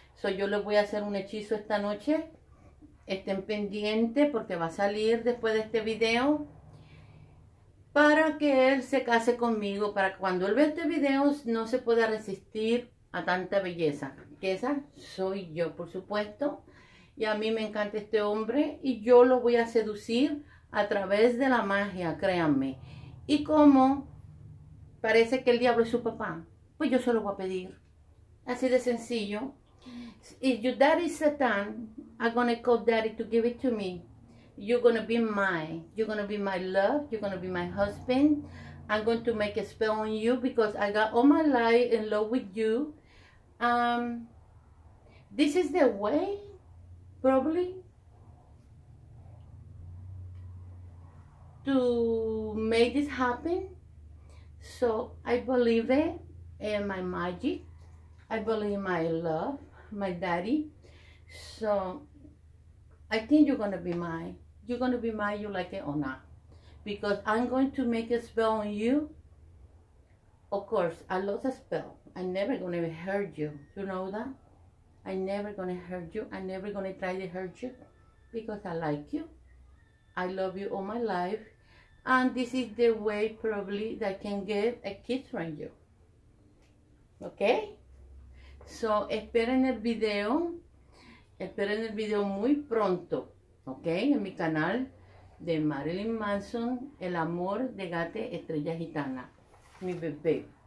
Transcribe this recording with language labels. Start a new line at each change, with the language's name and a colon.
Spanish: So, yo les voy a hacer un hechizo esta noche. Estén pendientes porque va a salir después de este video para que él se case conmigo, para que cuando él vea este video no se pueda resistir a tanta belleza, que esa soy yo, por supuesto, y a mí me encanta este hombre y yo lo voy a seducir a través de la magia, créanme. Y como parece que el diablo es su papá, pues yo se lo voy a pedir, así de sencillo.
English: If your daddy is Satan, I'm gonna call daddy to give it to me. You're gonna be my love, you're gonna be my husband. I'm going to make a spell on you because I got all my life in love with you. This is the way, probably, to make this happen. So I believe it in my magic. I believe in my love. My daddy, so I think you're gonna be mine. You're gonna be mine, you like it or not, because I'm going to make a spell on you. Of course, I love the spell. I never gonna hurt you. You know that? I never gonna hurt you. I never gonna try to hurt you, because I like you. I love you all my life, and this is the way probably that I can get a kiss from you. Okay?
Spanish: So, esperen el video muy pronto, ok, en mi canal de Marilyn Manson, el amor de Gate Estrella Gitana, mi bebé.